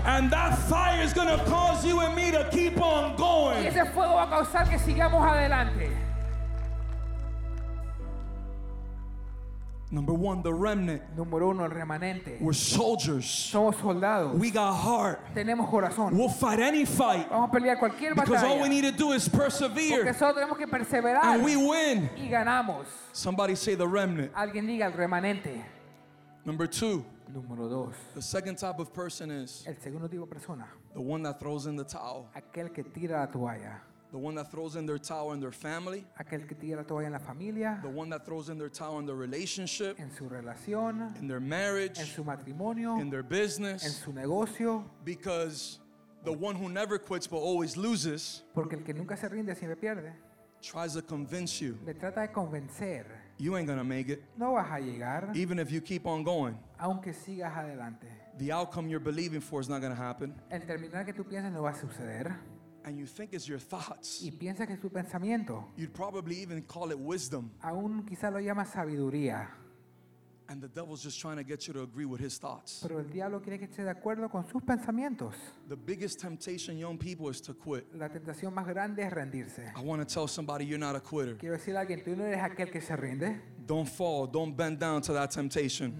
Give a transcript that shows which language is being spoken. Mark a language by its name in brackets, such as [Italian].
[English] And that fire is gonna cause you and me to keep on going. [Spanish] Y ese fuego va a causar que sigamos adelante. [English] Number one, the remnant. [Spanish] Número uno, el remanente. [English] We're soldiers. [Spanish] Somos soldados. [English] We got heart. [Spanish] Tenemos corazón. [English] We'll fight any fight. [Spanish] Vamos a pelear cualquier batalla. [English] Because all we need to do is persevere. [Spanish] Porque solo tenemos que perseverar. [English] And we win. [Spanish] Y ganamos. [English] Somebody say the remnant. [Spanish] Alguien diga el remanente. [English] Number two. [Spanish] Número dos. [English] The second type of person is. [Spanish] El segundo tipo de persona. [English] The one that throws in the towel. [Spanish] Aquel que tira la toalla. [English] The one that throws in their towel and their family. [Spanish] Aquel que tira la toalla en la familia. [English] The one that throws in their towel and their relationship. [Spanish] En su relación. [English] In their marriage. [Spanish] En su matrimonio. [English] In their business. [Spanish] En su negocio. [English] Because the one who never quits but always loses. [Spanish] Porque el que nunca se rinde siempre pierde. [English] Tries to convince you. [Spanish] Le trata de convencer. [English] You ain't gonna make it. [Spanish] No vas a llegar. [English] Even if you keep on going. [Spanish] Aunque sigas adelante. [English] The outcome you're believing for is not gonna happen. [Spanish] El terminar que tú piensas no va a suceder. [English] And you think it's your thoughts. [Spanish] Y piensa que es tu pensamiento. [English] You'd probably even call it wisdom. [Spanish] Aún quizá lo llama sabiduría. [English] And the devil's just trying to get you to agree with his thoughts. [Spanish] Pero el diablo quiere que esté de acuerdo con sus pensamientos. [English] The biggest temptation, young people, is to quit. [Spanish] La tentación más grande es rendirse. [English] I want to tell somebody, you're not a quitter. [Spanish] Quiero decirle a alguien, tú no eres aquel que se rinde. [English] Don't fall, don't bend down to that temptation.